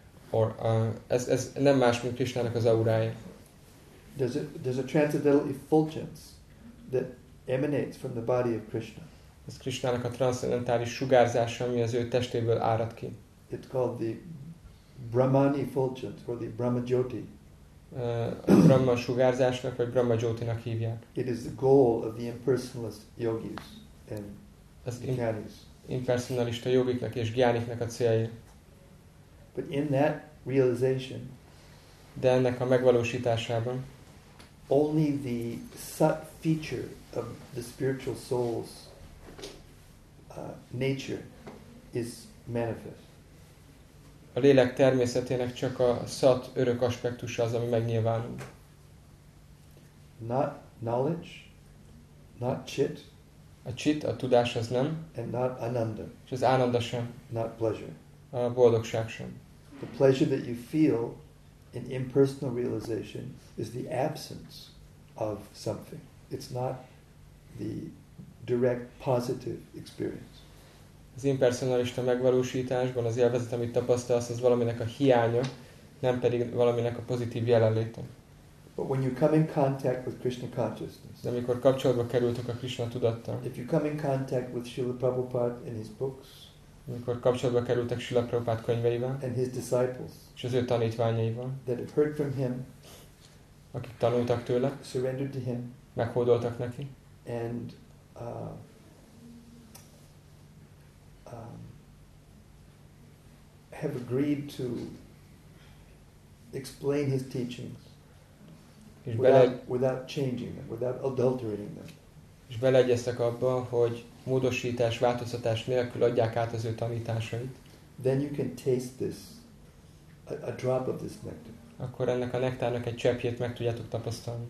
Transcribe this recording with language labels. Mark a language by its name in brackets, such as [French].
[English] Or [Hungarian] ez nem más, mint Krishnának az aurája. [English] There's a transcendental effulgence that emanates from the body of Krishna. [Hungarian] Ez Krishnának a transzcendentális sugárzása, ami az ő testéből árad ki. [English] It's called the Brahmani effulgence or the Brahma Jyoti. [Hungarian] Brahma sugárzásnak vagy Brahma Jyotinak hívják. [English] It is the goal of the impersonalist yogis and gyanis. [Hungarian] Impersonalista yogiknak és gyaniknak a célja. [English] But in that realization, [Hungarian] de ennek a megvalósításában, [English] only the sat feature of the spiritual soul's nature is manifest. [Hungarian] A lélek természetének csak a sat örök aspektusa az, ami megnyilvánul. [English] Not knowledge, not chit. [Hungarian] A chit, a tudás az nem. [English] And not ananda. [Hungarian] És az ananda sem. [English] Not pleasure. [Hungarian] A boldogság sem. [English] The pleasure that you feel in impersonal realization is the absence of something. It's not the direct positive experience. [Hungarian] Az impersonalista megvalósításban az élvezet, amit tapasztalsz, az valaminek a hiánya, nem pedig valaminek a pozitív jelenléte. [English] But when you come in contact with Krishna consciousness. [Hungarian] De amikor kapcsolatba kerültök a Krishna tudattal. [English] If you come in contact with Srila Prabhupada in his books. [Hungarian] Amikor kapcsolatba kerültek Srila Prabhupada könyveivel, [English] and his disciples, [Hungarian] és az ő tanítványaival, [English] that have heard from him, [Hungarian] akik tanultak tőle, [English] surrendered to him, [Hungarian] meghódoltak neki, [English] and have agreed to explain his teachings, without changing them, without adulterating them. [Hungarian] És beleegyeztek abban, hogy módosítás, változtatás nélkül adják át az ő tanításait. [English] Then you can taste this, a drop of this nectar. [Hungarian] Akkor ennek a nektárnak egy cseppjét meg tudjátok tapasztalni.